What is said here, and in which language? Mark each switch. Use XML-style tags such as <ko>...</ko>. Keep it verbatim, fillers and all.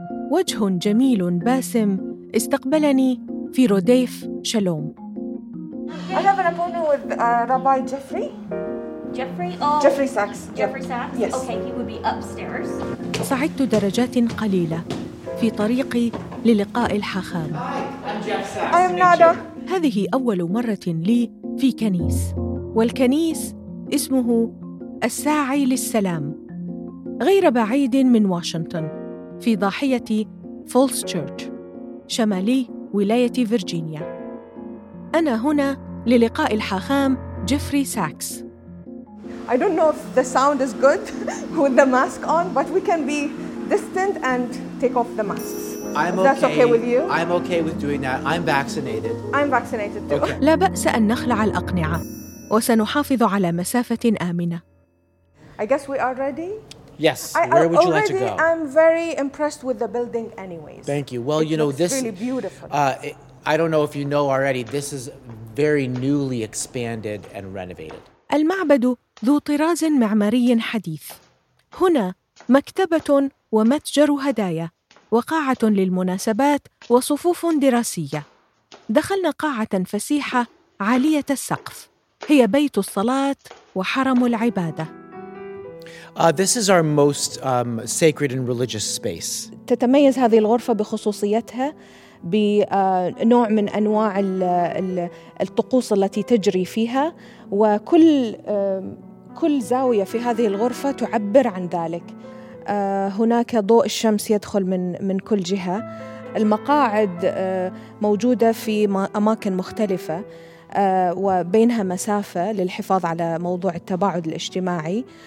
<ar>وجه جميل باسم استقبلني في روديف شالوم.</ar> <en>I have an appointment with uh, Rabbi Jeffrey. Jeffrey, oh. Jeffrey Sachs. Jeffrey Sachs. Yes. Okay, he would be upstairs.</en> <ar>صعدت درجات قليلة في طريقي للقاء الحاخام.</ar> <en>I am Nada.</en> <ar>هذه أول مرة لي في كنيس، والكنيس اسمه الساعي للسلام، غير بعيد من واشنطن، في ضاحية فولس تشيرش، شمالي ولاية فيرجينيا. أنا هنا للقاء الحاخام جيفري ساكس.</ar> <en>I don't know if the sound is good with the mask on, but we can be distant and take off the masks. I'm okay. That's okay with you? I'm okay with doing that. I'm vaccinated. I'm vaccinated too. Okay.</en> <ar>لا بأس أن نخلع الأقنعة، وسنحافظ على مسافة آمنة.</ar> <en>I guess we are ready. Yes. I, Where would you like already, to go? I'm very impressed with the building, anyways. Thank you. Well, It you know looks this. really beautiful. Uh, it, I don't know if you know already. This is very newly expanded and renovated.</en> <ar>المعبد ذو طراز معماري حديث. هنا مكتبة ومتجر هدايا وقاعة للمناسبات وصفوف دراسية. دخلنا قاعة فسيحة عالية السقف، هي بيت الصلاة وحرم العبادة.</ar> <en>Uh, this is our most um, sacred and religious space.</en> <ar>تتميز هذه الغرفة بخصوصيتها بنوع من أنواع ال- ال- الطقوس التي تجري فيها، وكل كل زاوية في هذه الغرفة تعبر عن ذلك. هناك ضوء الشمس يدخل من من كل جهة. المقاعد موجودة في أماكن مختلفة وبينها مسافة للحفاظ على موضوع التباعد الاجتماعي.</ar>